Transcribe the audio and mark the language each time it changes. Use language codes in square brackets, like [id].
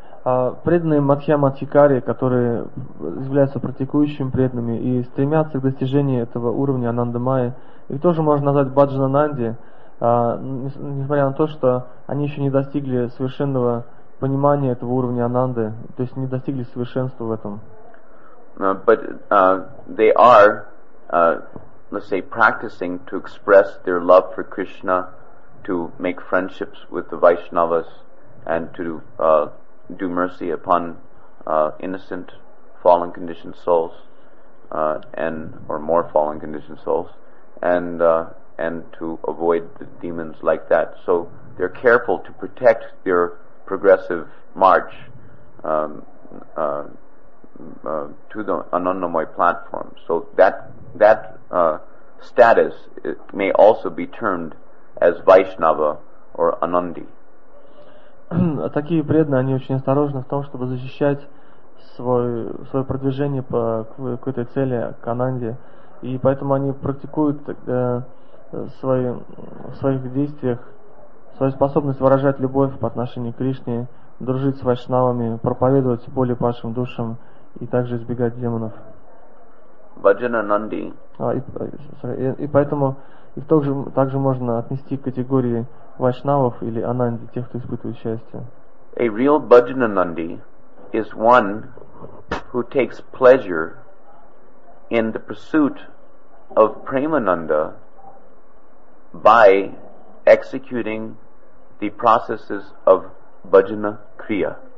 [ru] Преданные мадхьяма адхикари, которые являются практикующими преданными и стремятся к достижению этого уровня анандамая, их тоже можно назвать бхаджананди, несмотря на то, что они еще не достигли совершенного понимания этого уровня ананды, то есть не достигли совершенства в этом. [en] But they are, let's say, practicing to express their love for Krishna, to make friendships with the Vaishnavas, and to do mercy upon innocent fallen conditioned souls and to avoid the demons like that. So they're careful to protect their progressive march to the anandamoy platform. So that status may also be termed as Vaishnava or Anandi. [ru] Такие преданные, они очень осторожны в том, чтобы защищать свое продвижение по какой-то цели, к Ананде, и поэтому они практикуют в своих действиях свою способность выражать любовь по отношению к Кришне, дружить с вайшнавами, проповедовать более падшим душам и также избегать демонов. [en] Bhajana Nandi. [ru] И также можно отнести к категории вайшнавов или ананди, тех, кто испытывает счастье. [en] A real Bhajana Nandi is one who takes pleasure in the pursuit of Premananda by executing the processes of Bhajana Kriya.